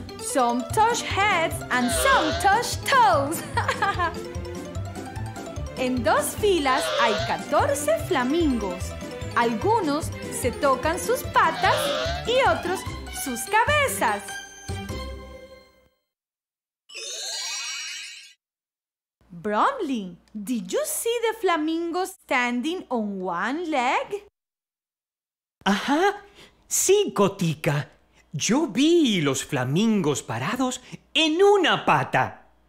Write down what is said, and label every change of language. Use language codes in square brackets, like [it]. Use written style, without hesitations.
[en] Some touch heads and some touch toes. [es] En dos filas hay 14 flamingos. Algunos se tocan sus patas y otros sus cabezas. [en] Bromley, did you see the flamingo standing on one leg? [es] Ajá, sí, Gotica. Yo vi los flamingos parados en una pata.